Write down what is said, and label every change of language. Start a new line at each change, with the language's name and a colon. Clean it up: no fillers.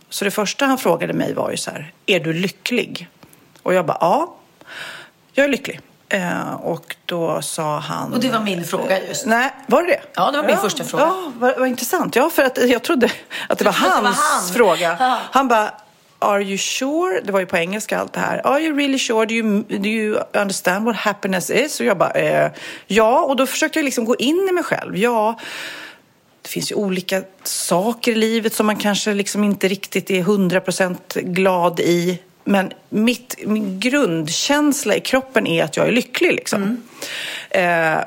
Swedish: Så det första han frågade mig var ju så här, är du lycklig? Och jag bara, ja, jag är lycklig. Och då sa han... Och det var min fråga just. Nej, var det det? Ja, det var min första fråga. Ja, var intressant. Ja, för att jag trodde att det var hans fråga. Ja. Han bara,
English: are you sure?
Swedish: Det var ju på engelska allt det här.
English: Are you really sure? Do you understand what happiness is?
Swedish: Och jag bara, ja. Och då försökte jag liksom gå in i mig själv. Ja, det finns ju olika saker i livet som man kanske liksom inte riktigt är 100% glad i. Men min grundkänsla i kroppen är att jag är lycklig liksom. Mm.